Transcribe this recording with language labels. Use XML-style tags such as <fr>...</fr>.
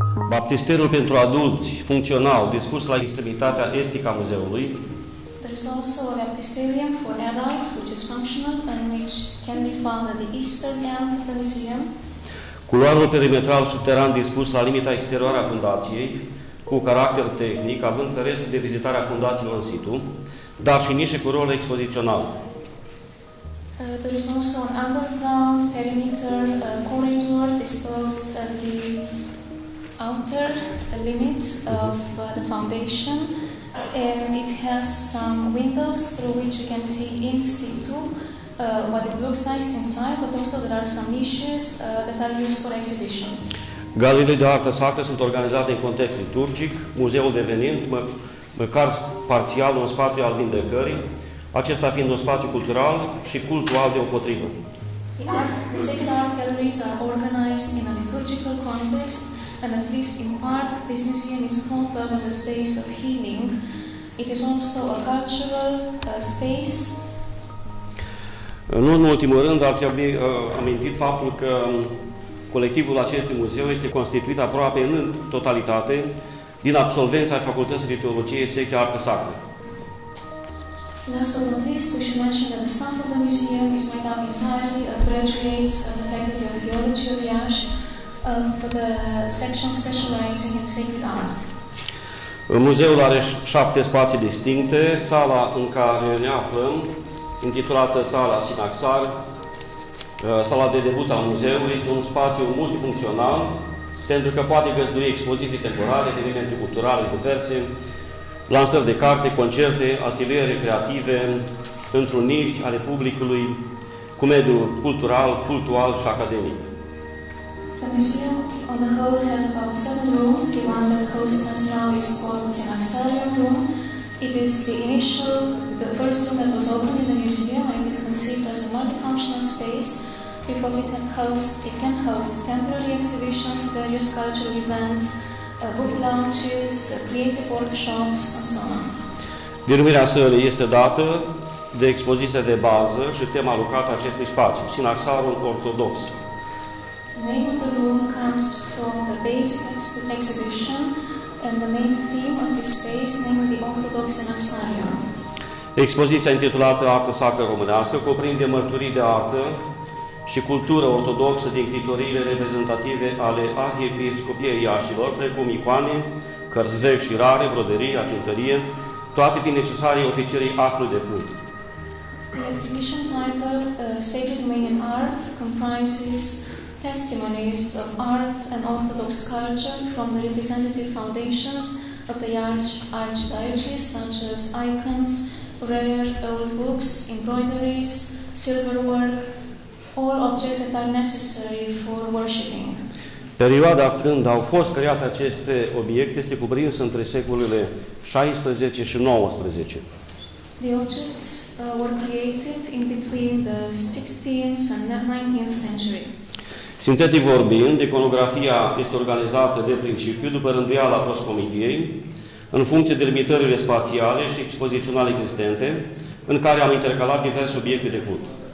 <ro>Baptisterul pentru adulți funcțional, dispus la extremitatea estică a muzeului.</ro> <en>There is also a baptisterium for adults which is functional and which can be found at the eastern end of the museum.</en> <ro>Culoarul perimetral subteran dispus la limita exterioară a fundației, cu caracter tehnic, având ferest de vizitare a fundațiilor în situ, dar și nișe cu rol expozițional.</ro> <en>There is also an underground perimeter corridor disposed at the outer limit of the foundation, and it has some windows through which you can see in situ what it looks like inside, but also there are some niches that are used for exhibitions.</en> <ro>Galeriile de artă sacră sunt organizate în context liturgic, muzeul devenind, măcar parțial, un spațiu al vindecării, acesta fiind un spațiu cultural și cultual deopotrivă.</ro> <en>The sacred art galleries are organized in a liturgical context, and at least in part, this museum is thought of as a space of healing. It is also a cultural space.</en> <ro>Nu în ultimul rând, ar trebui amintit faptul că colectivul acestui muzeu este constituit aproape în totalitate din absolvenți ai Facultății de Teologie, secția Artă Sacră.</ro> <en>Last but not least, we should mention that the staff of the museum is made up entirely of graduates of the Faculty of Theology of Iași, of the section specializing in sacred art.</en> <ro>Muzeul are 7 spații distincte, sala în care ne aflăm, intitulată Sala Sinaxar, sala de debut al muzeului, este un spațiu multifuncțional, pentru că poate găzdui expoziții temporare, evenimente culturale diverse, lansări de carte, concerte, ateliere creative, întruniri ale publicului, cu mediul cultural, cultural și academic.</ro> <en>The museum, on the whole, has about 7 rooms. The one that hosts us now is called the Sinaxarium room. It is the first room that was opened in the museum, and it is conceived as a multifunctional space because it can host temporary exhibitions, various cultural events, book launches, creative workshops, and so on.</en> <ro>Denumirea sălii este dată de expoziția de bază și tema alocată acestui spațiu, Sinaxarul Ortodox.</ro> <en>The name of the room comes from the base exhibition and the main theme of this space, namely the Orthodox Sinaxarium.</en> <ro>Expoziția intitulată Artă Sacră Românească cuprinde mărturii de artă și cultură ortodoxă din titoriile reprezentative ale Arhiepiscopiei Iașilor, precum icoane, cărți vechi și rare, broderii, argintărie, toate fiind necesare oficierii actului de cult.</ro> <en>The exhibition titled Sacred Romanian Art comprises testimonies of art and orthodox culture from the representative foundations of the Archdiocese, such as icons, rare old books, embroideries, silverwork, all objects that are necessary for worshiping.</en> <ro>Perioada când au fost create aceste obiecte este cuprinsă între secolele 16 și 19.</ro> <en>The objects were created in between the 16th and 19th century.</en> <ro>Sintetic vorbind, iconografia este organizată de principiu după rânduiala proscomidiei, în funcție de limitările spațiale și expoziționale existente, în care am intercalat diverse obiecte de cult.</ro>